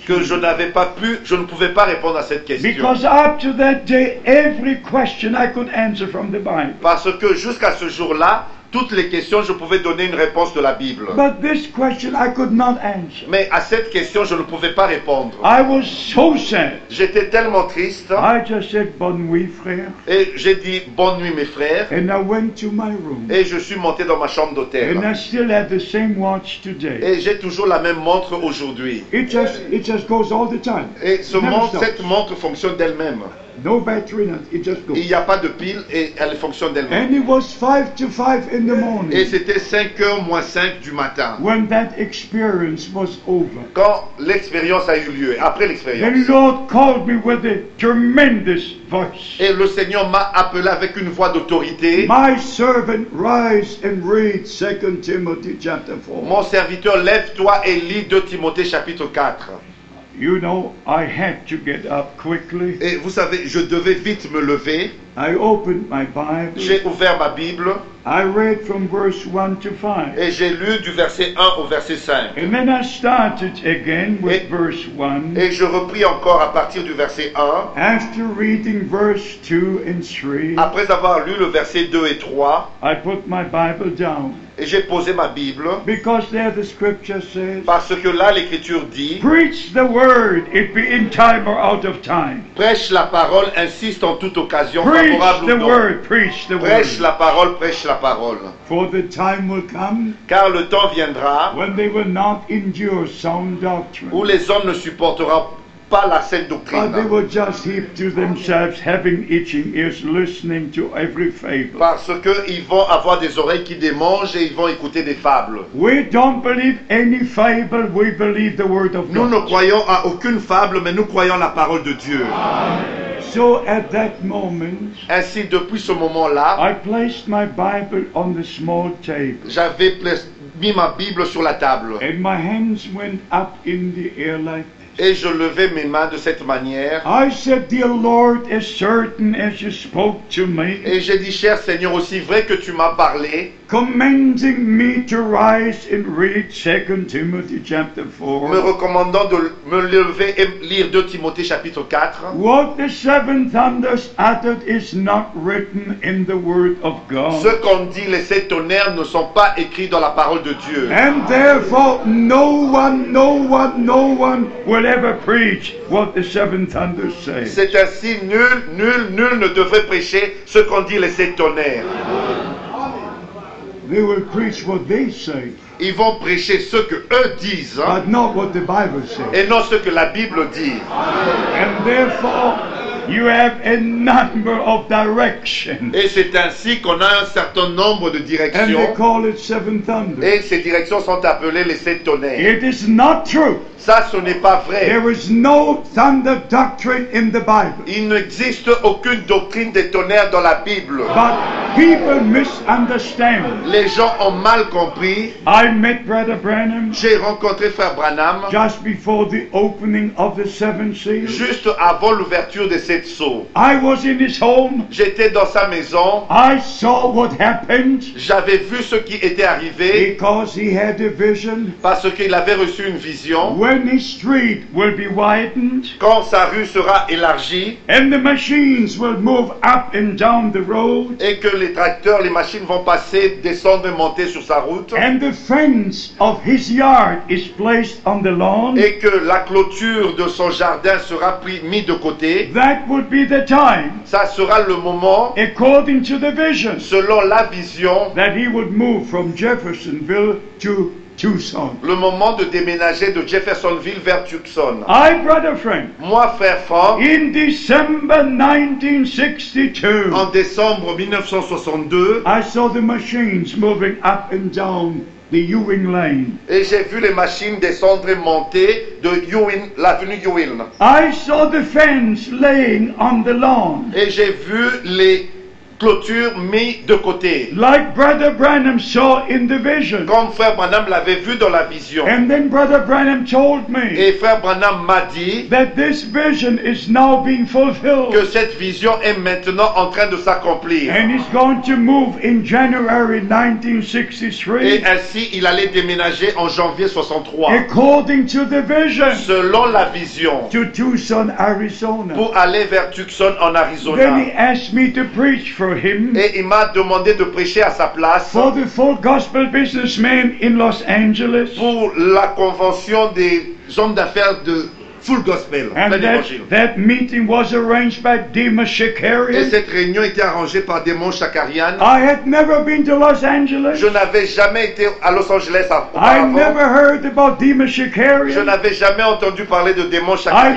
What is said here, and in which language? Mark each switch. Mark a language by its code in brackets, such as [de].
[fr] Que je ne pouvais pas répondre à cette question. [en] Because up to that day, every question I could answer from the Bible. [fr] Parce que jusqu'à ce jour-là, toutes les questions, je pouvais donner une réponse de la Bible. [en] But this question, I could not answer. [fr] Mais à cette question, je ne pouvais pas répondre. [en] I was so sad. [fr] J'étais tellement triste. [en] I just said, [fr] bonne nuit, frère. Et j'ai dit, bonne nuit, mes frères. [en] And I went to my room. [fr] Et je suis monté dans ma chambre d'hôtel. [en] And I still have the same watch today. [fr] Et j'ai toujours la même montre aujourd'hui. [en] It just goes all the time. [fr] Et cette montre fonctionne d'elle-même. [en] No battery, it just goes. [fr] Il n'y a pas de pile et elle fonctionne d'elle-même. [en] And it was 5 to 5 in the morning. [fr] Et c'était 5h moins 5 du matin. [en] When that experience was over. [fr] Quand l'expérience a eu lieu, après l'expérience. [en] And Lord called me with a tremendous voice. [fr] Et le Seigneur m'a appelé avec une voix d'autorité. [en] My servant, rise and read 2 Timothy chapter 4. [fr] Mon serviteur, lève-toi et lis 2 Timothée chapitre 4. [en] You know, I had to get up quickly. [fr] Et vous savez, je devais vite me lever. [en] I opened my Bible. [fr] J'ai ouvert ma Bible. [en] I read from verse 1 to 5. [fr] Et j'ai lu du verset 1 au verset 5. [en] And then I started again with verse 1. [fr] Et je repris encore à partir du verset 1. [en] After reading verse 2 and 3. [fr] Après avoir lu le verset 2 et 3. [en] I put my Bible down. [fr] Et j'ai posé ma Bible. [en] Because there the scripture says. [fr] Parce que là l'écriture dit. [en] Preach the word, it be in time or out of time. [fr] Prêche la parole, insiste en toute occasion, [en] preach [fr] favorable [en] the [fr] ou non. [en] Word, preach the [fr] prêche [en] word. [fr] La parole, prêche la parole. [en] For the time will come. [fr] Car le temps viendra. [en] When they will not endure sound doctrine. [fr] Où les hommes ne supporteront pas la saine doctrine. [en] But they will just heap to themselves having itching ears listening to every fable. [fr] Parce que ils vont avoir des oreilles qui démangent et ils vont écouter des fables. [en] We don't believe any fable, we believe the word of God. [fr] Nous ne croyons à aucune fable, mais nous croyons la parole de Dieu. [en] Amen. So at that moment, [fr] ainsi depuis ce moment-là, [en] I placed my Bible on the small table. [fr] J'avais mis ma Bible sur la table. [en] And my hands went up in the air like this. [fr] Et je levais mes mains de cette manière. [en] I said, dear Lord, as certain as you spoke to me. [fr] Et j'ai dit, cher Seigneur, aussi vrai que tu m'as parlé. [en] Commanding me to rise and read 2 Timothy chapter 4. [fr] Me recommandant de me lever et lire 2 Timothée chapitre 4. [en] What the seven thunders uttered is not written in the word of God. [fr] Ce qu'on dit les sept tonnerres ne sont pas écrits dans la parole de Dieu. [en] And therefore no one will ever preach what the seven thunders say. [fr] C'est ainsi, nul ne devrait prêcher ce qu'on dit les sept tonnerres. [en] They will preach what they say. [fr] Ils vont prêcher ce que eux disent. [en] But not what the Bible says. [fr] Et non ce que la Bible dit. [en] And therefore, you have a number of directions. [fr] Et c'est ainsi qu'on a un certain nombre de directions. [en] And they call it seven thunders. [fr] Et ces directions sont appelées les sept tonnerres. [en] It is not true. [fr] Ça, ce n'est pas vrai. [en] There is no thunder doctrine in the Bible. [fr] Il n'existe aucune doctrine des tonnerres dans la Bible. [en] But people misunderstand. [fr] Les gens ont mal compris. [en] I met Brother Branham. [fr] J'ai rencontré Frère Branham. [en] Just before the opening of the seven seals. [fr] Juste avant l'ouverture des sept sceaux. [en] I was in his home. [fr] J'étais dans sa maison. [en] I saw what happened. [fr] J'avais vu ce qui était arrivé. [en] Because he had a vision. [fr] Parce qu'il avait reçu une vision. [en] When his street will be widened, [fr] quand sa rue sera élargie, [en] and the machines will move up and down the road, [fr] et que les tracteurs, les machines vont passer, descendre et monter sur sa route, [en] and the fence of his yard is placed on the lawn, [fr] et que la clôture de son jardin sera mise de côté, [en] that would be the time, [fr] ça sera le moment, [en] according to the vision, [fr] selon la vision, [en] that he would move from Jeffersonville to Tucson. [fr] Le moment de déménager de Jeffersonville vers Tucson. [en] I, brother Frank, [fr] moi, frère Frank, [en] in December 1962, [fr] en décembre 1962, [en] I saw the machines moving up and down the Ewing Lane. [fr] Et j'ai vu les machines descendre et monter de Ewing, l'avenue Ewing. [en] I saw the fence laying on the lawn. [fr] Et j'ai vu les clôtures mises de côté. [en] Like Brother Branham saw in the vision. [fr] Comme frère Branham l'avait vu dans la vision. [en] And then Brother Branham told me. [fr] Et frère Branham m'a dit. [en] That this vision is now being fulfilled. [fr] Que cette vision est maintenant en train de s'accomplir. [en] And he's going to move in January 1963. [fr] Et ainsi il allait déménager en janvier 63. [en] According to the vision. [fr] Selon la vision. [en] To Tucson, Arizona. [fr] Pour aller vers Tucson en Arizona. [en] Then he asked me to preach. For him, [fr] et il m'a demandé de prêcher à sa place [en] for the full gospel businessman in Los Angeles, [fr] pour la convention des hommes d'affaires de full gospel. [en] And that meeting was arranged by Demas Shakarian. [fr] Et cette réunion était arrangée par Demas Shakarian. [en] I had never been to Los Angeles. [fr] Je n'avais jamais été à Los Angeles auparavant. [en] I never heard about Demas Shakarian. [fr] Je n'avais jamais entendu parler de Demas Shakarian.